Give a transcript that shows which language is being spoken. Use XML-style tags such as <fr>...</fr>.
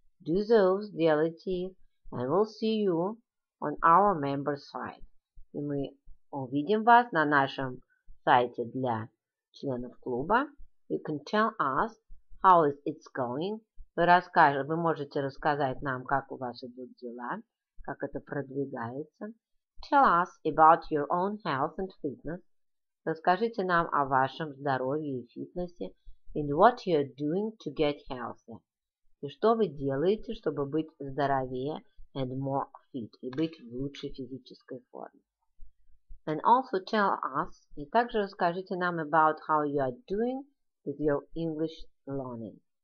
<en>Do those,</en> <ru>делайте их,</ru> <en>and we'll see you on our member site.</en> <ru>И мы увидим вас на нашем сайте для членов клуба.</ru> <en>You can tell us how it's going.</en> <ru>Вы можете рассказать нам, как у вас идут дела, как это продвигается.</ru> <en>Tell us about your own health and fitness.</en> <ru>Расскажите нам о вашем здоровье и фитнесе.</ru> <en>And what you're doing to get healthy.</en> <ru>И что вы делаете, чтобы быть здоровее</ru> <en>and more fit,</en> <ru>и быть в лучшей физической форме.</ru> <en>And also tell us,</en> <ru>и также расскажите нам</ru> <en>about how you are doing with your English learning.</en>